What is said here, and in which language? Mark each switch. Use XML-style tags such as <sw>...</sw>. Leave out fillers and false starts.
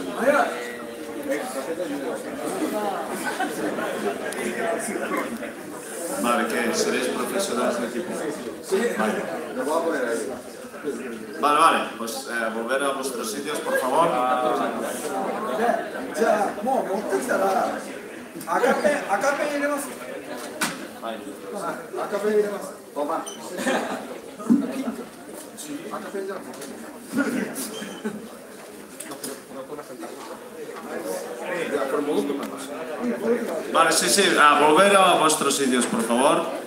<es>Vaya. Vale, que seréis profesionales de equipo. Sí, vale. Lo voy a poner ahí. Vale, vale, pues volver a vuestros sitios, por favor. Ya,</es> <ja>もう持ってきたら赤ペン入れます。はい。赤ペン入れます。ボマ。ピンク。赤ペンじゃなくて。</ja> <es>Vale, sí, sí, a volver a vuestros sitios, por favor.</es>